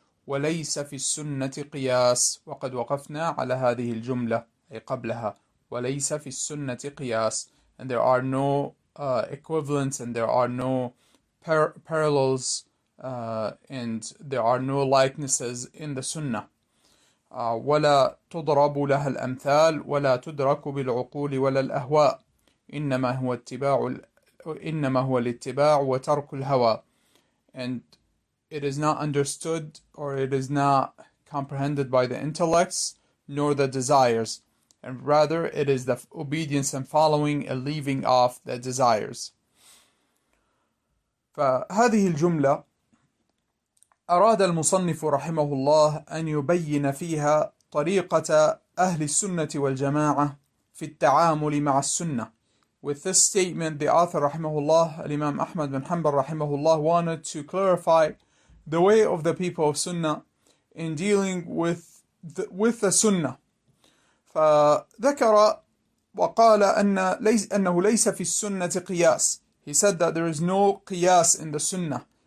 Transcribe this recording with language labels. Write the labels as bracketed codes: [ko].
[ar] وَلَيْسَ فِي السُنَّةِ قِيَاسِ. وَقَدْ وَقَفْنَا عَلَى هَذِهِ الْجُمْلَةِ, أي قبلها. وَلَيْسَ فِي السُنَّةِ قِيَاسِ. [en] And there are no equivalents and there are no parallels and there are no likenesses in the Sunnah. [ar] ولا تضرب لها الأمثال ولا تدرك بالعقول ولا الأهواء إنما هو الاتباع وترك الهوى. [en] And it is not understood or it is not comprehended by the intellects nor the desires, and rather it is the obedience and following and leaving off the desires. [ar] فهذه الجملة أراد المصنف رحمه الله أن يبين فيها طريقة أهل السنة والجماعة في التعامل مع السنة. [en] With this statement, the author رحمه الله, الإمام أحمد بن حنبل رحمه الله, wanted to clarify the way of the people of Sunnah in dealing with the Sunnah. [ar] فذكر وقال أنه ليس في السنة قياس. [en] He said that there is no قياس in the Sunnah.